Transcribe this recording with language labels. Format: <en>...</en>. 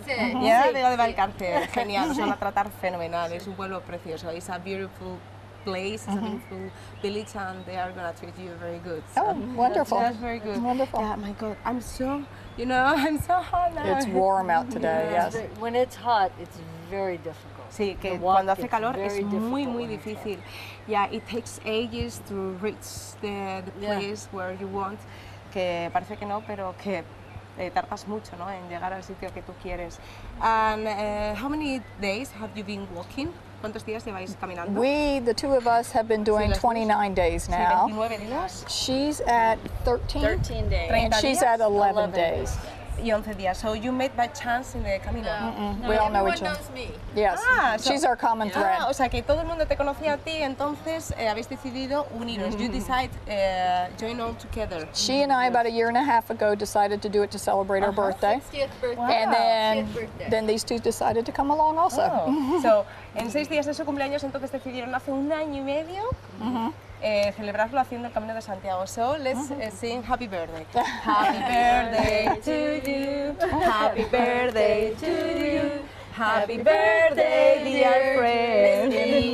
<es>Sí. Yeah, Vega de Valcarce. Genial. Nos van a tratar fenomenal. Es un pueblo precioso.</es> <en>It's a beautiful place. It's a beautiful village, and they are going to treat you very good. So, oh, wonderful. That's very good. It's wonderful. Yeah, my God. I'm so, you know, I'm so hot now. It's warm out today, yes. When it's hot, it's very difficult.</en> <es>Sí, que cuando hace calor es muy, muy difícil.</es> <en>Yeah, it takes ages to reach the place where you want.</en> <es>Que parece que no, pero que tardas mucho, ¿no? En llegar al sitio que tú quieres.</es> <en>And how many days have you been walking?</en> <es>¿Cuántos días lleváis caminando?</es> <en>We, the two of us, have been doing 29 days now.</en> <es>Sí, 29 días.</es> <en>She's at 13. 13 days. And she's at 11 days.</en> <es>Y 11 días.</es> <en>So you met by chance in the Camino. No, we all know each other. Everyone knows me. Yes. She's our common thread.</en> <es>O sea que todo el mundo te conocía a ti, entonces habéis decidido uniros.</es> <en>Mm-hmm. You decide join all together. She and I, about a year and a half ago, decided to do it to celebrate her birthday. 60th birthday. And then these two decided to come along also.</en> <es>So en 6 días de su cumpleaños, entonces decidieron hace un año y medio. Celebrarlo haciendo el Camino de Santiago.</es> <en>So let's sing Happy Birthday. Happy birthday to you. Happy birthday to you. Happy birthday, dear friend.</en>